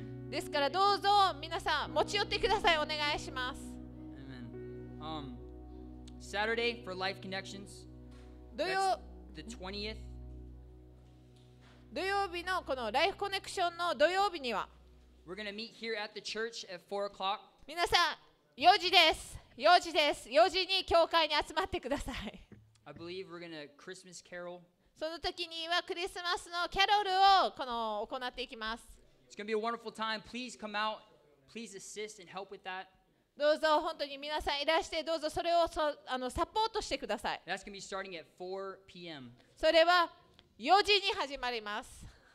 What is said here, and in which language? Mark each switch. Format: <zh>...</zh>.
<ja>ですからどうぞ皆さん持ち寄ってください。お願いします。</ja> <en>Amen. Saturday for Life Connections.</en> <ja>土曜</ja> <en>the 20th.</en> <ja>土曜日のこのライフコネクションの土曜日には</ja> <en>We're gonna meet here at the church at 4 o'clock.</en> <ja>皆さん4時です。4時です。 4時に教会に集まってください。</ja> <en>I believe we're gonna Christmas carol.</en> <ja>その時にはクリスマスのキャロルをこの行っていきます。</ja> <en>It's going to be a wonderful time. Please come out. Please assist and help with that.</en> <ja>どうぞ本当に皆さんいらしてどうぞそれをサポートしてください。</ja> <en>That's going to be starting at 4 p.m.</en> <ja>それは4時に始まります。</ja>